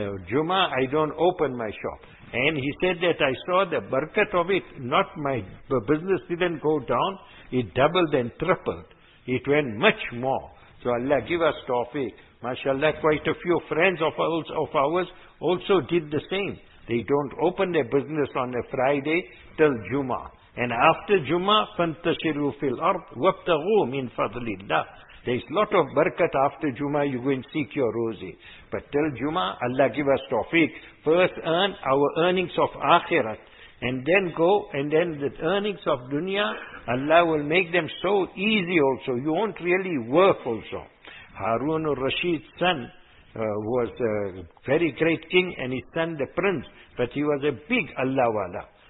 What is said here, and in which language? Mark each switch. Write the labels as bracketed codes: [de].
[en] Jummah, I don't open my shop. And he said that I saw the barakat of it, not my business didn't go down, it doubled and tripled. It went much more. So Allah give us tawfiq. MashaAllah, quite a few friends of ours also did the same. They don't open their business on a Friday till Jummah. And after Jummah, [ar] فَانْتَشِرُوا فِي الْأَرْضِ وَابْتَغُوا مِنْ فَضْلِ اللَّهِ. [en] There is lot of barakat after Jummah, you go and seek your rosy. But till Jummah, Allah give us tawfiq. First earn our earnings of akhirat. And then go, and then the earnings of dunya, Allah will make them so easy also. You won't really work also. Harun al-Rashid's son, was a very great king, and his son the prince, but he was a big Allah wala.